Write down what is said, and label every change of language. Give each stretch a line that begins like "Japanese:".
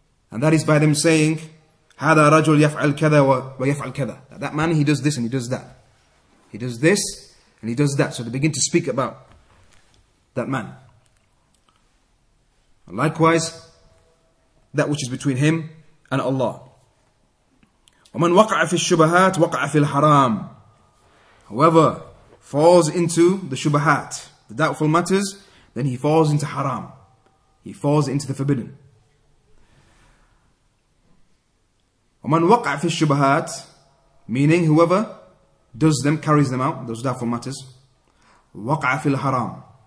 English: And that is by them saying,
Arabic: هذا رجل يفعل كذا ويفعل كذا.
English: That man, he does this and he does that. He does this and he does that. So they begin to speak about that man. Likewise, that which is between him and Allah.
Arabic: ومن وقع في الشبهات وقع في الحرام.
English: Whoever falls into the shubahat, the doubtful matters, then he falls into haram. He falls into the forbidden.
Arabic: ومن وقع في الشبهات,
English: meaning whoever does them, carries them out, those doubtful matters,
Arabic: وقع في الحرام.